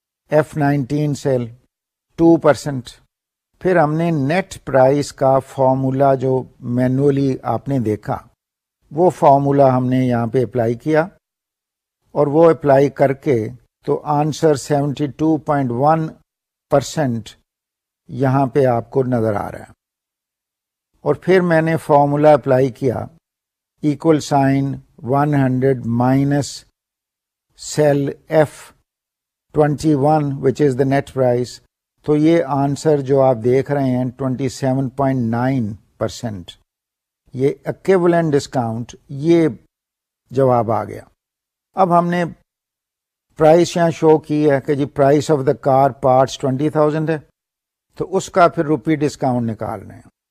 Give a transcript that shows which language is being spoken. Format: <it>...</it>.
<ur>F 19 cell 2%, پھر ہم نے نیٹ پرائز کا فارمولا جو مینولی آپ نے دیکھا وہ فارمولا ہم نے یہاں پہ اپلائی کیا, اور وہ اپلائی کر کے تو آنسر 72.1% یہاں پہ آپ کو نظر آ رہا ہے. اور پھر میں نے فارمولا اپلائی کیا</ur> <en>equal sign 100 minus cell F21, which is the net price.</en> <ur>تو یہ آنسر جو آپ دیکھ رہے ہیں 27.9%, یہ اکیولنٹ ڈسکاؤنٹ, یہ جواب آ گیا. اب ہم نے پرائس یہاں شو کی ہے کہ جی price of the car parts 20,000 ہے, تو اس کا پھر روپی ڈسکاؤنٹ نکالنا ہے.</ur>